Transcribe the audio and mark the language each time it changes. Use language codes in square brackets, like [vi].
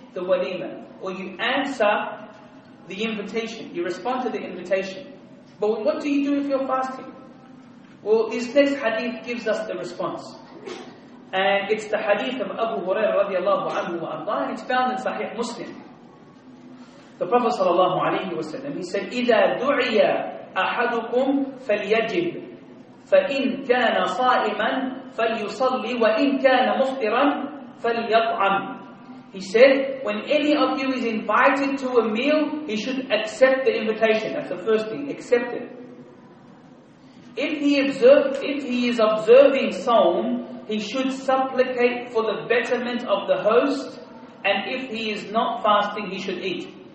[en] the walima, or you answer the invitation, you respond to the invitation. But what do you do if you're fasting? Well, this next hadith gives us the response. And it's the hadith of Abu Hurairah radiallahu anhu wa anhu, and it's found in Sahih Muslim. The Prophet sallallahu alayhi wa sallam, he said, [ar] إِذَا دُعِيَ أَحَدُكُمْ فَلْيَجِبْ فَإِنْ كَانَ صَائِمًا فَلْيُصَلِّ وَإِنْ كَانَ مُفْطِرًا فَلْيَطْعَمْ. [en] He said, when any of you is invited to a meal, he should accept the invitation. That's the first thing, accept it. If he is observing Sawm, he should supplicate for the betterment of the host, and if he is not fasting, he should eat.